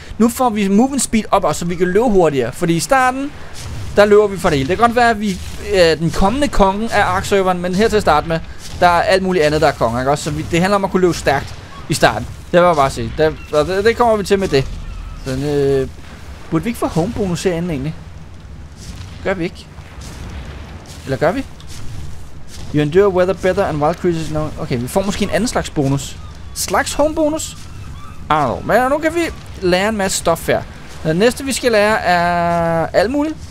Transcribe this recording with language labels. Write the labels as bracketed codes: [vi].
[da] Nu får vi movement speed op, og så vi kan løbe hurtigere. Fordi i starten, der løber vi for det hele. Det kan godt være, at vi den kommende konge af ARK-serveren, men her til at starte med, der er alt muligt andet, der er konge. Ikke? Så det handler om at kunne løbe stærkt i starten. Det var bare at se. Det kommer vi til med det. Sådan, burde vi ikke få homebonus herinde egentlig? Gør vi ikke? Eller gør vi? [en] You endure weather better and wild creatures now. [da] Okay, vi får måske en anden slags bonus. Slags homebonus? [en] I don't know. [da] Men nu kan vi lære en masse stof her. Det næste vi skal lære er alt muligt.